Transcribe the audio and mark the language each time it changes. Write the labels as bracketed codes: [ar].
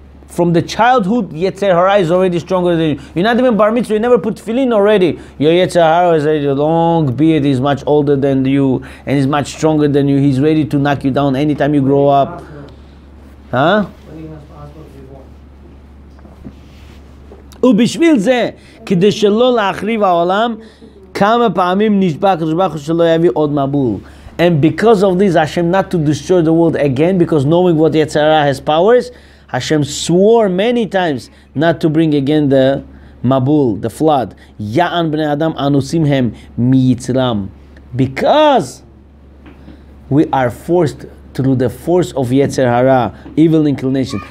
[en] From the childhood, Yetzer Hara is already stronger than you. You're not even bar mitzvah, you never put tefillin already. Your Yetzer Hara is already a long beard, he's much older than you, and he's much stronger than you. He's ready to knock you down anytime you grow up. Huh? [he] ובשביל זה, כדי שלא להחריב העולם, כמה פעמים נשבע הקדוש ברוך הוא שלא יביא עוד מבול. [en] And because of this, Hashem not to destroy the world again, because knowing what Yetzer Hara has powers, Hashem swore many times not to bring again the Mabul, the flood. [he] Ya'an b'nei Adam anusim hem mi'yitzram. [en] Because we are forced through the force of Yetzer Hara, evil inclination.